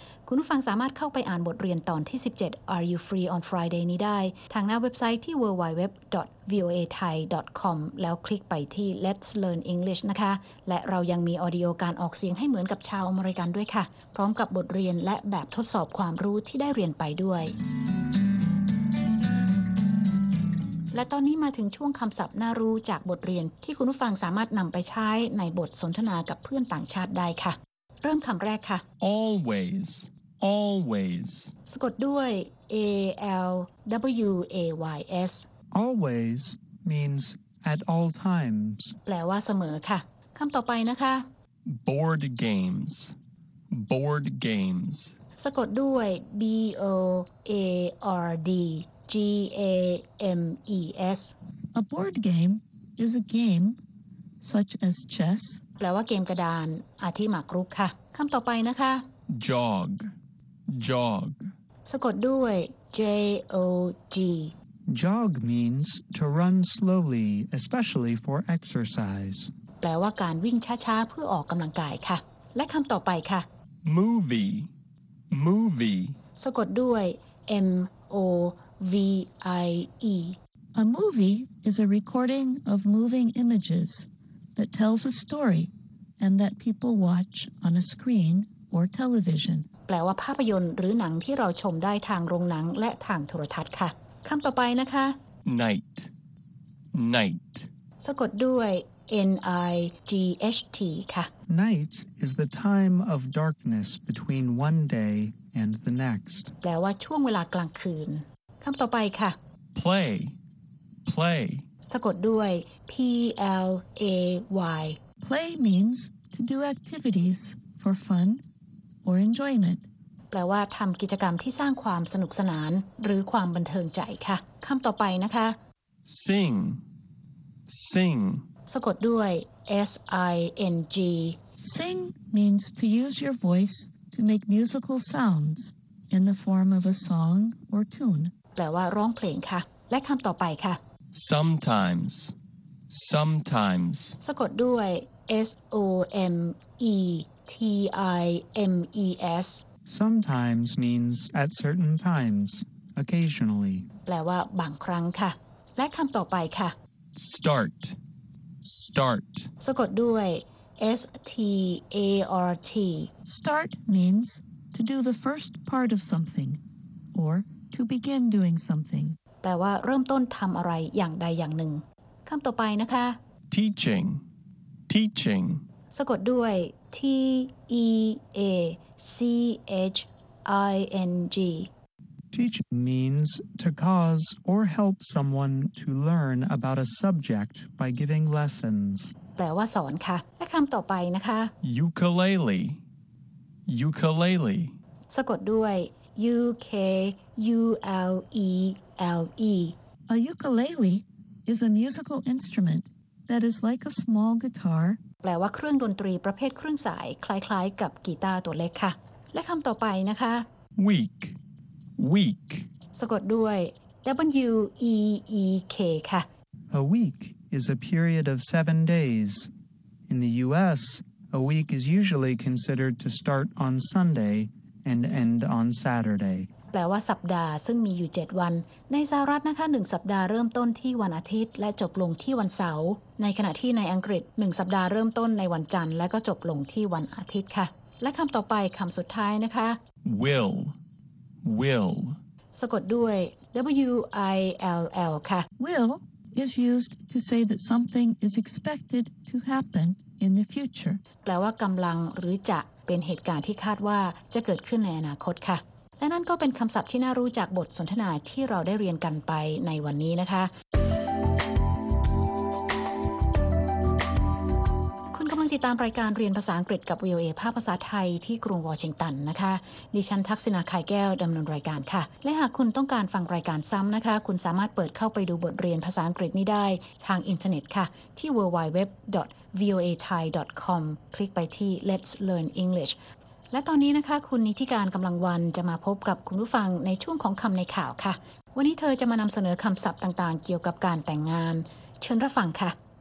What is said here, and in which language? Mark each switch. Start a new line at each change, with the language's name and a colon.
Thai: คุณผู้ฟังสามารถเข้าไปอ่านบทเรียนตอนที่17 Are You Free on Friday นี้ได้ทางหน้าเว็บไซต์ที่ www.voathai.com แล้วคลิกไปที่ Let's Learn English นะคะและเรายังมีออดิโอการออกเสียงให้เหมือนกับชาวอเมริกันด้วยค่ะพร้อมกับบทเรียนและแบบทดสอบความรู้ที่ได้เรียนไปด้วยและตอนนี้มาถึงช่วงคำศัพท์น่ารู้จากบทเรียนที่คุณผู้ฟังสามารถนำไปใช้ในบทสนทนากับเพื่อนต่างชาติได้ค่ะเริ่มคำแรกค่ะ
English: always always
Thai: สะกดด้วย a l w a y s
English: always means at all times
Thai: แปลว่าเสมอค่ะคำต่อไปนะคะ
English: board games board games
Thai: สะกดด้วย b o a r dG-A-M-E-S
English: A board game is a game such as chess
Thai: แปลว่าเกมกระดานอาทิหมากรุกค่ะคำต่อไปนะคะ
English: jog jog
Thai: สะกดด้วย j o g
English: jog means to run slowly especially for exercise
Thai: แปลว่าการวิ่งช้าๆเพื่อออกกำลังกายค่ะและคำต่อไปค่ะ
English: movie movie
Thai: สะกดด้วย m o v i e
English: a movie is a recording of moving imagesThat tells a story, and that people watch on a screen or television.
Thai: แปลว่าภาพยนตร์หรือหนังที่เราชมได้ทางโรงหนังและทางโทรทัศน์ค่ะคำต่อไปนะคะ
English: Night, night.
Thai: สะกดด้วย N I G H T ค่ะ
English: Night is the time of darkness between one day and the next.
Thai: แปลว่าช่วงเวลากลางคืนคำต่อไปค่ะ
English: Play, play.
Thai: สะกดด้วย P L A Y
English: Play means to do activities for fun or enjoyment
Thai: แปลว่าทำกิจกรรมที่สร้างความสนุกสนานหรือความบันเทิงใจค่ะคำต่อไปนะคะ
English: Sing Sing
Thai: สะกดด้วย S I N G
English: Sing means to use your voice to make musical sounds in the form of a song or tune
Thai: แปลว่าร้องเพลงค่ะและคำต่อไปค่ะ
English: Sometimes, sometimes.
Thai: สะกดด้วย S O M E T I M E S.
English: Sometimes means at certain times, occasionally.
Thai: แปลว่าบางครั้งค่ะและคำต่อไปค่ะ
English: Start, start.
Thai: สะกดด้วย S T A R T.
English: Start means to do the first part of something, or to begin doing something.
Thai: แปลว่าเริ่มต้นทำอะไรอย่างใดอย่างหนึ่งคำต่อไปนะคะ
English: teaching teaching
Thai: สะกดด้วย t e a c h i n g
English: teaching means to cause or help someone to learn about a subject by giving lessons
Thai: แปลว่าสอนค่ะและคำต่อไปนะคะ
English: ukulele ukulele
Thai: สะกดด้วยU K U L E L E.
English: A ukulele is a musical instrument that is like a small guitar.
Thai: แปลว่าเครื่องดนตรีประเภทเครื่องสายคล้ายๆกับกีตาร์ตัวเล็กค่ะและคำต่อไปนะคะ
English: Weak. Weak.
Thai: สะกดด้วย W E E K ค่ะ
English: A week is a period of 7 days. In the U.S., a week is usually considered to start on Sunday. And end on Saturday.
Thai: แปลว่าสัปดาห์ซึ่งมีอยู่7วันในสหรัฐนะคะ1สัปดาห์เริ่มต้นที่วันอาทิตย์และจบลงที่วันเสาร์ในขณะที่ในอังกฤษ1สัปดาห์เริ่มต้นในวันจันทร์และก็จบลงที่วันอาทิตย์ค่ะและคำต่อไปคำสุดท้ายนะคะ
English: Will Will
Thai: สะกดด้วย W I L L ค่ะ
English: Will is used to say that something is expected to happen in the future
Thai: แปลว่ากำลังหรือจะเป็นเหตุการณ์ที่คาดว่าจะเกิดขึ้นในอนาคตค่ะและนั่นก็เป็นคำศัพท์ที่น่ารู้จากบทสนทนาที่เราได้เรียนกันไปในวันนี้นะคะ คุณกำลังติดตามรายการเรียนภาษาอังกฤษกับ VOA ภาคภาษาไทยที่กรุงวอชิงตันนะคะดิฉันทักษิณาไข่แก้วดำเนินรายการค่ะและหากคุณต้องการฟังรายการซ้ำนะคะคุณสามารถเปิดเข้าไปดูบทเรียนภาษาอังกฤษนี้ได้ทางอินเทอร์เน็ตค่ะที่ www.voathai.com คลิกไปที่ Let's Learn English และตอนนี้นะคะคุณนิติการกำลังวันจะมาพบกับคุณผู้ฟังในช่วงของคำในข่าวค่ะวันนี้เธอจะมานำเสนอคำศัพท์ต่างๆเกี่ยวกับการแต่งงานเชิญรับฟังค่ะ